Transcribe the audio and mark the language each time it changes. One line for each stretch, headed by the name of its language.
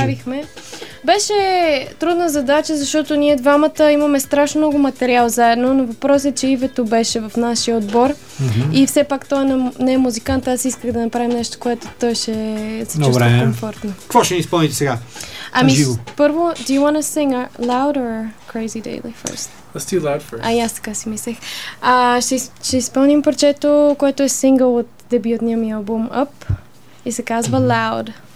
Bulgarian: Направихме. Беше трудна задача, защото ние двамата имаме страшно много материал заедно, но въпрос е, че Ивето беше в нашия отбор. Mm-hmm. И все пак той не е музикант, аз исках да направим нещо, което той ще се чувства комфортно. Какво ще ни изпълните сега? Ами, първо,
English: do you want to sing louder or Crazy Daily first? Let's do loud first.
Bulgarian: Ай, аз така си мислех. Ще изпълним парчето, което е сингъл от дебютния ми албум Up и се казва Loud.